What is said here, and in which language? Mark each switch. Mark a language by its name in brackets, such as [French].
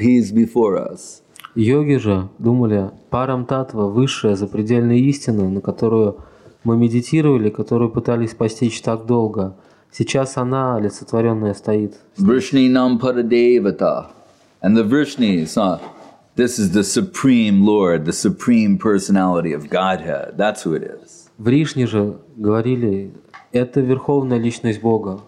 [English] He's before us. [Russian] Йоги же думали, Парам Таттва, высшая запредельная истина, на которую мы медитировали, которую пытались постичь так долго. Сейчас она, олицетворенная, стоит. [Sanskrit] Vrishninam Paradevata. [English] And the Vrishni, this is the Supreme Lord, the Supreme Personality of Godhead. That's who it is. [Russian] Vrishni же говорили, это Верховная Личность Бога.